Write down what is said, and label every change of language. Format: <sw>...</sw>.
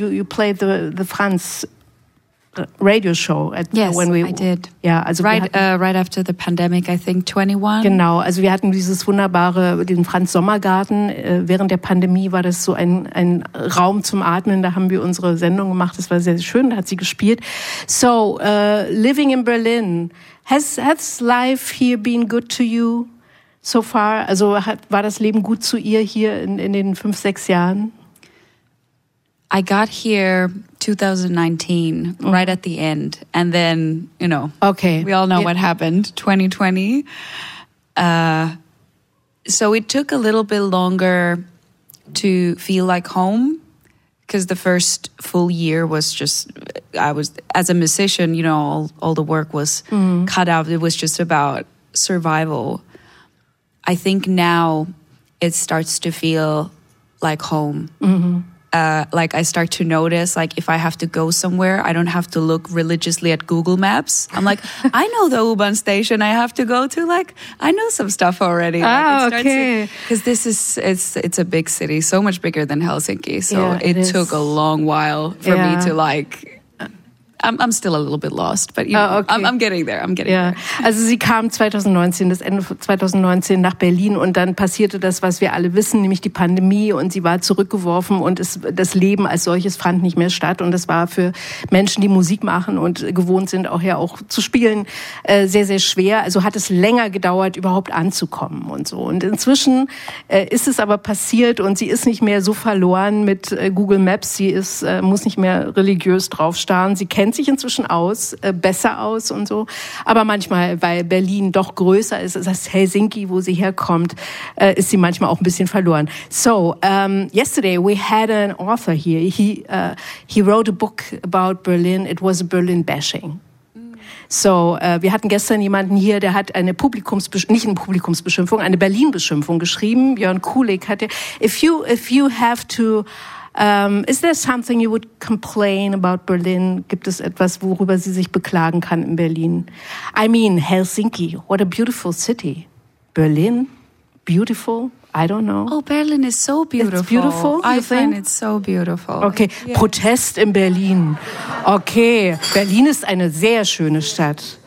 <en>You played the Franz Radio Show. Right after the pandemic, I think 21.</en> <de>Genau, also wir hatten dieses wunderbare, den Franz Sommergarten. Während der Pandemie war das so ein Raum zum Atmen. Da haben wir unsere Sendung gemacht. Das war sehr schön. Da hat sie gespielt.</de> <en>So, living in Berlin, has life here been good to you so far?</en> <de>Also war das Leben gut zu ihr hier in den 5, 6 Jahren?</de> <en>I got here 2019, right at the end. And then, you know, okay, we all know what happened, 2020. So it took a little bit longer to feel like home, because the first full year was just, I was, as a musician, you know, all the work was cut out. It was just about survival. I think now it starts to feel like home. Mm-hmm. Like I start to notice, like if I have to go somewhere, I don't have to look religiously at Google Maps. I'm like, I know the U-Bahn station I have to go to. Like I know some stuff already. Because this is it's a big city, so much bigger than Helsinki. So yeah, it took a long while for me to like. I'm still a little bit lost, but you know, I'm getting there. I'm getting there.</en> <de>Also sie kam das Ende 2019 nach Berlin und dann passierte das, was wir alle wissen, nämlich die Pandemie, und sie war zurückgeworfen und das Leben als solches fand nicht mehr statt, und das war für Menschen, die Musik machen und gewohnt sind, auch zu spielen, sehr, sehr schwer. Also hat es länger gedauert, überhaupt anzukommen und so. Und inzwischen ist es aber passiert und sie ist nicht mehr so verloren mit Google Maps. Sie ist muss nicht mehr religiös draufstarren. Sie kennt sich inzwischen aus, besser aus und so. Aber manchmal, weil Berlin doch größer ist als Helsinki, wo sie herkommt, ist sie manchmal auch ein bisschen verloren.</de> <en>So, yesterday we had an author here. He wrote a book about Berlin. It was a Berlin bashing.</en> <de>So, wir hatten gestern jemanden hier, der hat eine Berlin-Beschimpfung geschrieben.</de> <en>Björn Kulik</en> <de>hat ja,</de> <en>if you have to... is there something you would complain about Berlin?</en> <de>Gibt es etwas, worüber sie sich beklagen kann in Berlin?</de> <en>I mean, Helsinki, what a beautiful city. Berlin, beautiful. I don't know. Oh, Berlin is so beautiful. It's beautiful, you think? I find it so beautiful. Okay, yeah. Protest in Berlin.</en> <de>Okay, Berlin ist eine sehr schöne Stadt.</de>